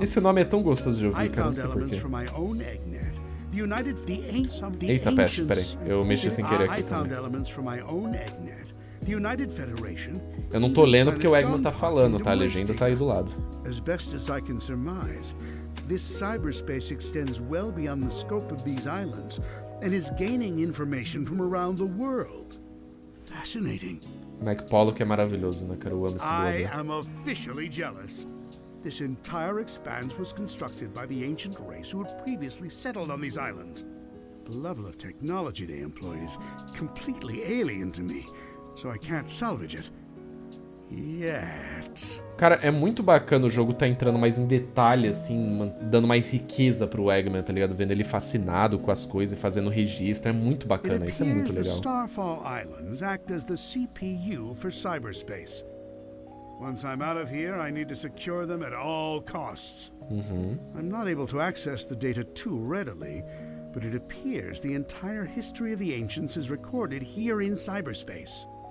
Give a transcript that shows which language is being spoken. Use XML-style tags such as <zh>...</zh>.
<pt>Esse nome é tão gostoso de ouvir, cara, não sei porquê.</pt> <en>From my own eggnet. The United the ancient the</en> <pt>Eita, peste, peraí. Eu mexi sem querer aqui.</pt> <en>The United Federation.</en> <pt>Eu não tô lendo porque o Eggman tá falando, tá? A legenda tá aí do lado.</pt> <en>As best as I can surmise, this cyberspace extends well beyond the scope of these islands. And is gaining information from around the world. Fascinating.</en> <pt>Mac Polo que é maravilhoso, né, cara? Eu amo esse blog.</pt> <en>I am officially jealous. This entire expanse was constructed by the ancient race who had previously settled on these islands. The level of technology they employ is completely alien to me, so I can't salvage it. Yet.</en> <pt>Cara, é muito bacana o jogo tá entrando mais em detalhe, assim, dando mais riqueza pro Eggman, tá ligado? Vendo ele fascinado com as coisas e fazendo registro, é muito bacana, isso é muito legal.</pt> <en>The Starfall Islands act as the CPU for cyberspace. Once I'm out of here, I need to secure them at all costs. I'm not able to access the data too readily, but it appears the entire history of the ancients is recorded here in cyberspace.</en>